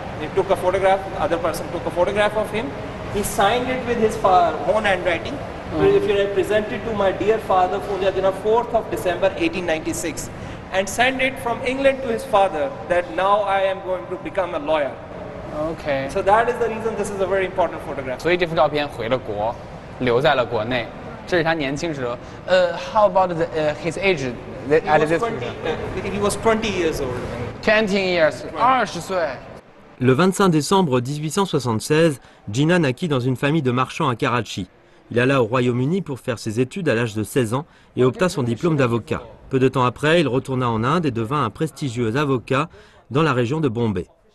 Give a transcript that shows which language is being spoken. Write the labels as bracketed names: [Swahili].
[English] He took a photograph, other person took a photograph of him. He signed it with his own handwriting. If you present it to my dear father, Funja Dina, 4th of December, 1896, and send it from England to his father that now I am going to become a lawyer. Okay. So that is the reason this is a very important photograph. [Chinese] 所以这幅照片回了国，留在了国内。 [English] How about the, his age at this point? He was 20 years old. 20 years, 20 [French] Le 25 décembre 1876, Gina naquit dans une famille de marchands à Karachi. Il alla au Royaume-Uni pour faire ses études à l'âge de 16 ans et obtint son diplôme d'avocat. Peu de temps après, il retourna en Inde et devint un prestigieux avocat dans la région de Bombay.